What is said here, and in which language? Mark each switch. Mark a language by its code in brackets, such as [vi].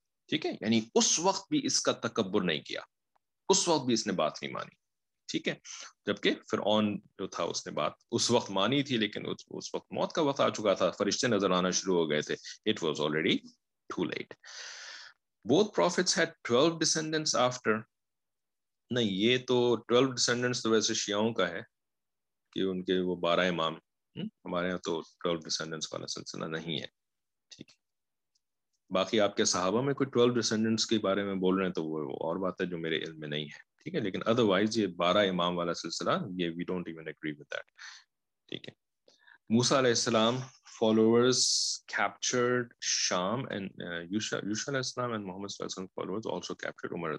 [ur] ٹھیک ہے, یعنی اس وقت بھی اس کا تکبر نہیں کیا, اس وقت بھی اس نے بات نہیں مانی. ٹھیک ہے, جبکہ فرعون جو تھا اس نے بات اس وقت مانی تھی, لیکن اس وقت موت کا وقت آ چکا تھا, فرشتے نظر آنا شروع ہو گئے تھے, [en] It was already too late. Both prophets had 12 descendants after. [ur] نہیں یہ تو 12 descendants تو ویسے شیعوں کا ہے کہ ان کے وہ 12 امام, ہمارے یہاں تو 12 descendants والا سلسلہ نہیں ہے. ٹھیک ہے, باقی آپ کے صحابہ میں کوئی 12 descendants کے بارے میں بول رہے ہیں تو وہ اور بات ہے جو میرے علم میں نہیں ہے. ٹھیک ہے, لیکن ادروائز یہ 12 امام والا سلسلہ یہ [en] We don't even agree with that. [ur] ٹھیک ہے, [en] موسیٰ علیہ السلام followers captured Sham and Yusha alayhi salam and Muhammad alayhi salam followers also captured Umar.